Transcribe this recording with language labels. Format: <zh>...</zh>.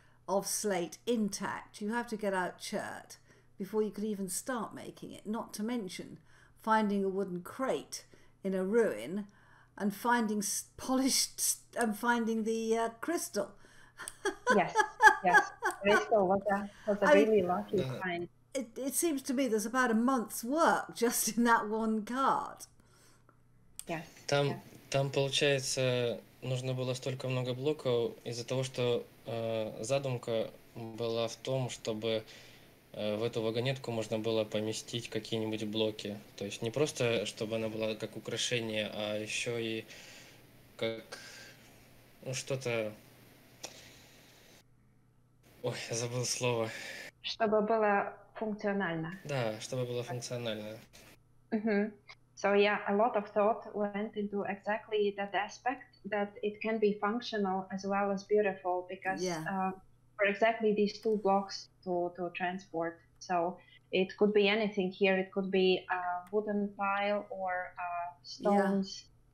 <en>of slate intact. You have to get out chert before you could even start making it, not to mention finding a wooden crate in a ruin and finding polished and finding the crystal. Yes, crystal was a really lucky find. It seems to me there's about a month's work just in that one card. Yes.</en> <ru>Там получается нужно было столько много блоков из-за того, что задумка была в том, чтобы в эту вагонетку можно было поместить какие-нибудь блоки. То есть не просто чтобы она была как украшение, а еще и как ну что-то. Ой, я забыл слово. Чтобы было функционально. Да, чтобы было функционально.</ru> <en>So yeah, a lot of thought went into exactly that aspect, that it can be functional as well as beautiful, because for exactly these two blocks to transport. So it could be anything here. It could be a wooden pile or stones. Yeah.</en>